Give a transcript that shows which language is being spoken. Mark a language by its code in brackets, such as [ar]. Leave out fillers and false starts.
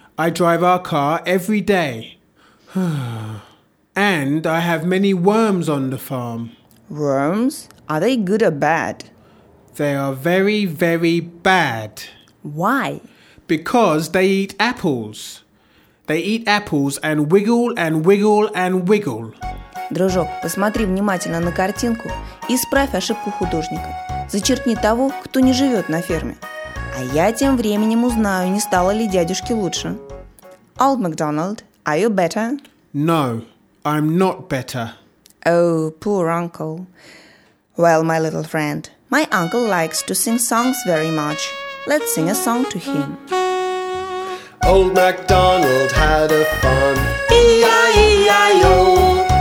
[en] I drive our car every day. And I have many worms on the farm. Worms? Are they good or bad? They are very, very bad. Why? Because they eat apples. They eat apples and wiggle and wiggle and wiggle. [ru] Дружок, посмотри внимательно на картинку и исправь ошибку художника. Зачеркни того, кто не живет на ферме. А я тем временем узнаю, не стало ли дядюшке лучше. [en] Old MacDonald, are you better? No, I'm not better. Oh, poor uncle. Well, my little friend, my uncle likes to sing songs very much. Let's sing a song to him. Old MacDonald had a farm, E-I-E-I-O.